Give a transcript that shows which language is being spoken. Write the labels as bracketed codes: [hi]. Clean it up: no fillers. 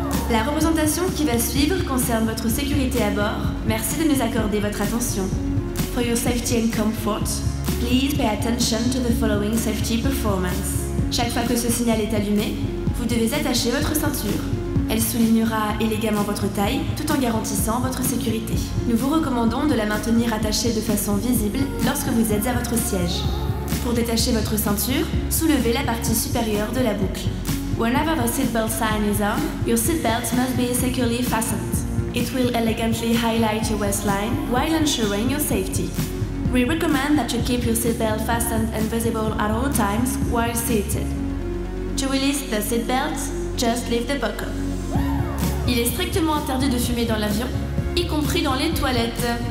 [fr] La représentation qui va suivre concerne votre sécurité à bord. Merci de nous accorder votre attention. [en] For your safety and comfort, please pay attention to the following safety performance. [fr] Chaque fois que ce signal est allumé, vous devez attacher votre ceinture. Elle soulignera élégamment votre taille tout en garantissant votre sécurité. Nous vous recommandons de la maintenir attachée de façon visible lorsque vous êtes à votre siège. Pour détacher votre ceinture, soulevez la partie supérieure de la boucle. [en] Whenever the seatbelt sign is on, your seatbelt must be securely fastened. It will elegantly highlight your waistline while ensuring your safety. We recommend that you keep your seatbelt fastened and visible at all times while seated. To release the seatbelt, just lift the buckle. [fr] Il est strictement interdit de fumer dans l'avion, y compris dans les toilettes.